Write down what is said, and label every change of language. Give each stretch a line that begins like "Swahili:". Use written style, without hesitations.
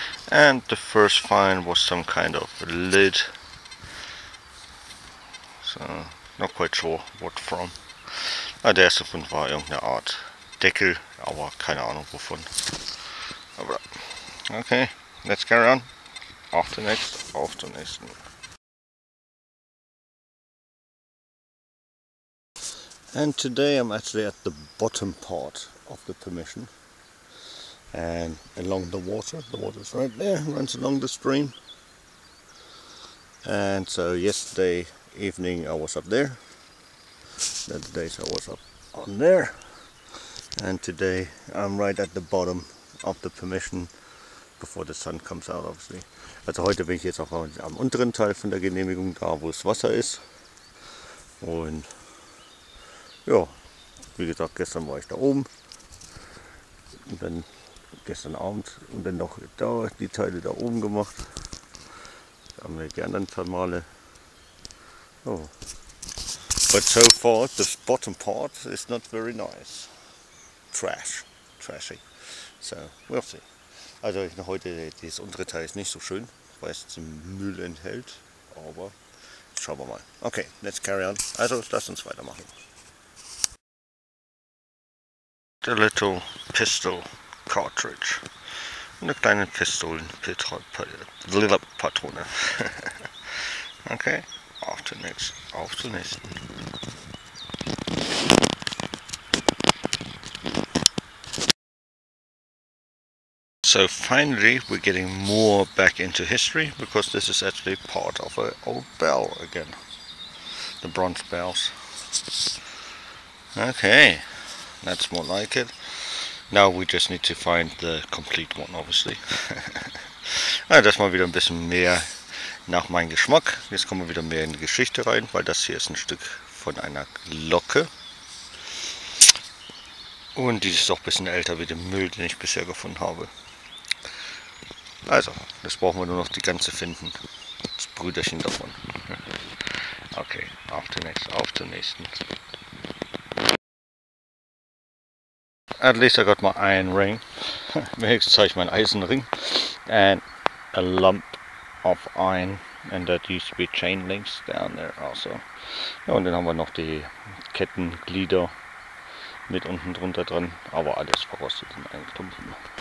English: And the first find was some kind of a lid. So, not quite sure what from.
German: Ah, der erste Fund war irgendeine Art Deckel, aber keine Ahnung wovon. Aber okay,
English: let's carry on.
German: Auf zum nächsten.
English: And today I'm actually at the bottom part of the permission. And along the water is right there, runs along the stream. And so yesterday evening I was up there. The other days I was up on there, and today I'm right at the bottom of the permission before the sun comes out, obviously.
German: Also heute bin ich jetzt auch am unteren Teil von der Genehmigung, da wo das Wasser ist. Und ja, wie gesagt, gestern war ich da oben und dann gestern Abend und dann noch da die Teile da oben gemacht. Da haben wir die anderen paar Male. Oh.
English: But so far, the bottom part is not very nice. Trashy. So, we'll see.
German: Also, heute, das untere Teil ist nicht so schön, weil es den Müll enthält. Aber, schauen wir mal.
English: Okay, let's carry on.
German: Also, lass uns weitermachen.
English: The little pistol cartridge.
German: Eine kleine Pistolenpatrone.
English: Okay.
German: Auf zum nächsten.
English: So finally we're getting more back into history, because this is actually part of an old bell again. The bronze bells. Okay, that's more like it. Now we just need to find the complete one, obviously.
German: Das mal wieder ein bisschen mehr nach meinem Geschmack. Jetzt kommen wir wieder mehr in die Geschichte rein, weil das hier ist ein Stück von einer Glocke. Und die ist doch ein bisschen älter wie der Müll, den ich bisher gefunden habe. Also, das brauchen wir nur noch die ganze finden. Das Brüderchen davon. Okay, auf zum nächsten.
English: At least I got my iron ring.
German: Wenigstens habe ich meinen Eisenring.
English: And a lump of iron, and that used to be chain links down there also.
German: Ja, und dann haben wir noch die Kettenglieder mit unten drunter dran, aber alles verrostet in einem Klumpen.